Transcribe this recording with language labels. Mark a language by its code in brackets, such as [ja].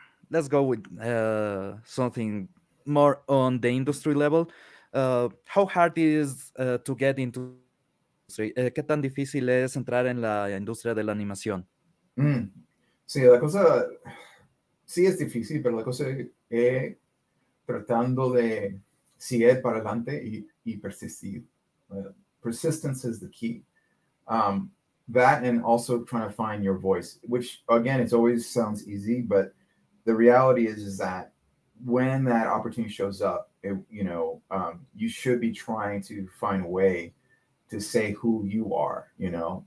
[en] let's go with something more on the industry level. How hard is to get into industry? [es] ¿Qué tan difícil es entrar en la industria de la animación? Mm. Sí, la cosa... Sí es difícil, pero la cosa es tratando de seguir para adelante y persistir. [en] Persistence is the key. That and also trying to find your voice, which, again, it always sounds easy, but the reality is that when that opportunity shows up, it, you know, you should be trying to find a way to say who you are, you know.